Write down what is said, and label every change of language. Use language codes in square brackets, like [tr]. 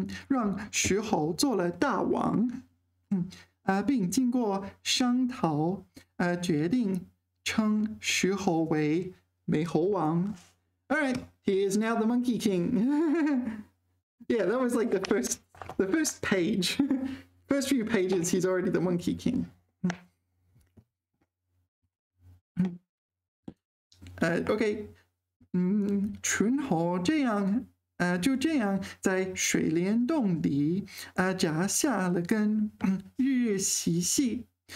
[zh] 让石猴做了大王，并经过商讨，决定称石猴为美猴王。 [en] All right, he is now the Monkey King. Yeah, that was like the first page. First few pages, he's already the Monkey King. [zh] Okay, 群猴这样，就这样在水帘洞里，夹下了根，日日嬉戏。